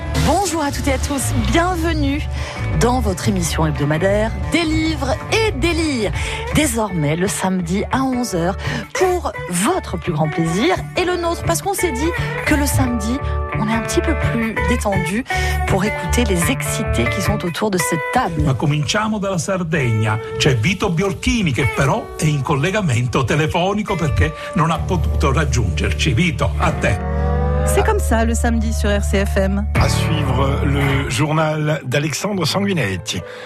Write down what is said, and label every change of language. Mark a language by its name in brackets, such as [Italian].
[French] Bonjour à toutes et à tous, bienvenue dans votre émission hebdomadaire des livres et des lires. Désormais, le samedi à 11h, pour votre plus grand plaisir et le nôtre, parce qu'on s'est dit que le samedi, on est un petit peu plus détendu pour écouter les excités qui sont autour de cette table. [Italian] Ma cominciamo dalla Sardegna. C'è Vito Biolchini che però è in collegamento telefonico perché non ha potuto raggiungerci. Vito, a te. [French] C'est comme ça le samedi sur RCFM. À suivre le journal d'Alexandre Sanguinetti.